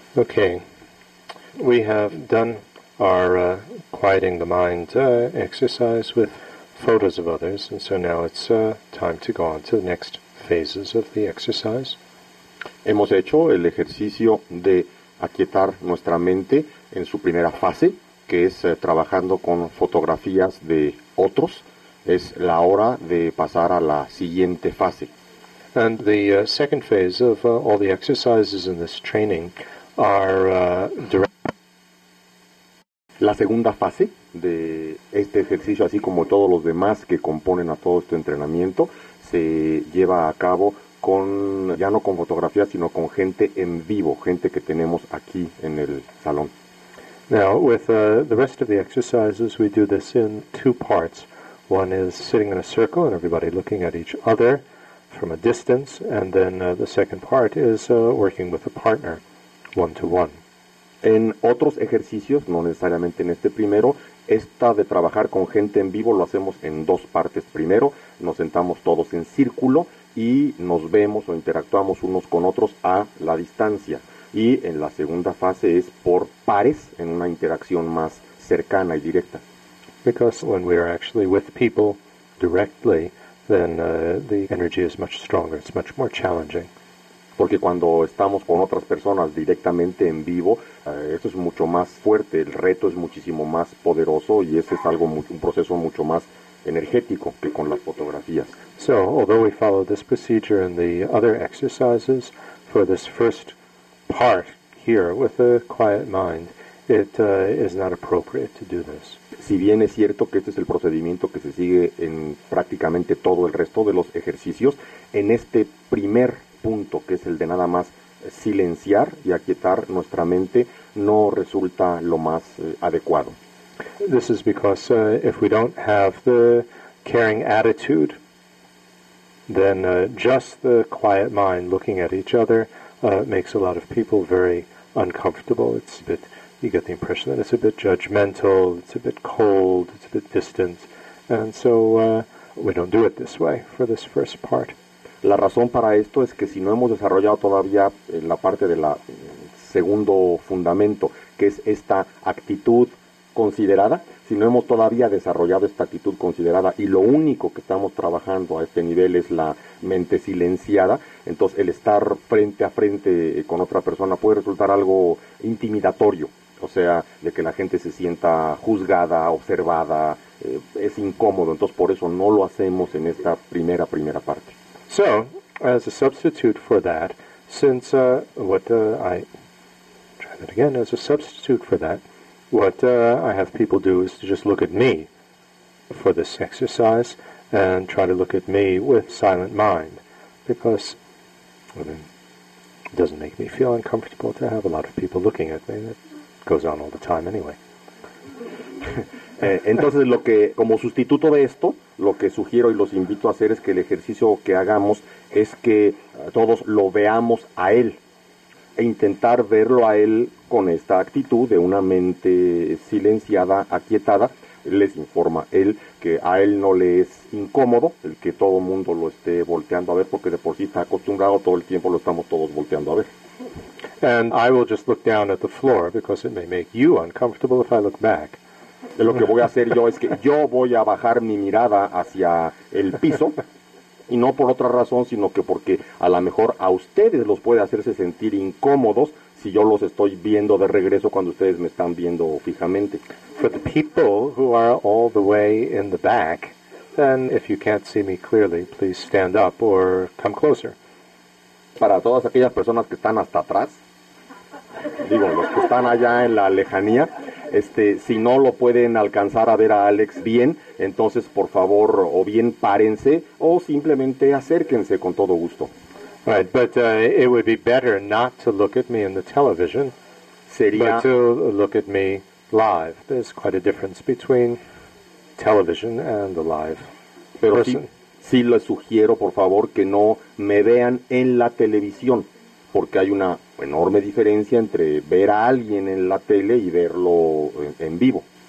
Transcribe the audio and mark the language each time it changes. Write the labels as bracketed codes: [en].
[en] Okay, we have done our quieting the mind exercise with photos of others, and so now it's time to go on to the next phases of the exercise. [es] Hemos hecho el ejercicio de aquietar nuestra mente en su primera fase, que es trabajando con fotografías de otros. Es la hora de pasar a la siguiente fase. [en] And the second phase of all the exercises in this training are [es] La segunda fase de este ejercicio, así como todos los demás que componen a todo este entrenamiento, se lleva a cabo con, ya no con fotografías, sino con gente en vivo, gente que tenemos aquí en el salón. [en] Now, with the rest of the exercises, we do this in two parts. One is sitting in a circle and everybody looking at each other from a distance, and then the second part is working with a partner, one-to-one. [es] En otros ejercicios, no necesariamente en este primero, esta de trabajar con gente en vivo lo hacemos en dos partes. Primero, nos sentamos todos en círculo y nos vemos o interactuamos unos con otros a la distancia. Y en la segunda fase es por pares, en una interacción más cercana y directa. [en] Because when we are actually with people directly, then the energy is much stronger, it's much more challenging. [es] Porque cuando estamos con otras personas directamente en vivo, esto es mucho más fuerte, el reto es muchísimo más poderoso y ese es algo un proceso mucho más energético que con las fotografías. [en] So, although we follow this procedure in the other exercises, for this first part here with a quiet mind, it is not appropriate to do this. [es] Si bien es cierto que este es el procedimiento que se sigue en prácticamente todo el resto de los ejercicios, en este primer punto, que es el de nada más silenciar y aquietar nuestra mente, no resulta lo más adecuado. [en] This is because if we don't have the caring attitude, then just the quiet mind looking at each other makes a lot of people very uncomfortable. It's a bit, you get the impression that it's a bit judgmental, it's a bit cold, it's a bit distant, and so we don't do it this way for this first part. [es] La razón para esto es que si no hemos desarrollado todavía la parte de la segundo fundamento, que es esta actitud considerada, si no hemos todavía desarrollado esta actitud considerada y lo único que estamos trabajando a este nivel es la mente silenciada, entonces el estar frente a frente con otra persona puede resultar algo intimidatorio, o sea, de que la gente se sienta juzgada, observada, es incómodo, entonces por eso no lo hacemos en esta primera parte. [en] So, as a substitute for that, I have people do is to just look at me for this exercise and try to look at me with silent mind, because it doesn't make me feel uncomfortable to have a lot of people looking at me. It goes on all the time anyway. [es] Entonces, lo que como sustituto de esto, lo que sugiero y los invito a hacer es que el ejercicio que hagamos es que todos lo veamos a él e intentar verlo a él con esta actitud de una mente silenciada, aquietada. Les informa él que a él no le es incómodo el que todo mundo lo esté volteando a ver, porque de por sí está acostumbrado, todo el tiempo lo estamos todos volteando a ver. [en] And I will just look down at the floor because it may make you uncomfortable if I look back. [es] Lo que voy a hacer yo es que yo voy a bajar mi mirada hacia el piso, y no por otra razón, sino que porque a lo mejor a ustedes los puede hacerse sentir incómodos si yo los estoy viendo de regreso cuando ustedes me están viendo fijamente. [en] For the people who are all the way in the back, then if you can't see me clearly, please stand up or come closer. [es] Para todas aquellas personas que están hasta atrás, digo, los que están allá en la lejanía, si no lo pueden alcanzar a ver a Alex bien, entonces por favor o bien párense o simplemente acérquense con todo gusto. [en] Right, but it would be better not to look at me in the television, [es] sería, [en] but to look at me live. There's quite a difference between television and the live [es] pero [en] person. [es] Sí les sugiero, por favor, que no me vean en la televisión, porque hay una enorme diferencia entre ver a alguien en la tele y verlo en vivo.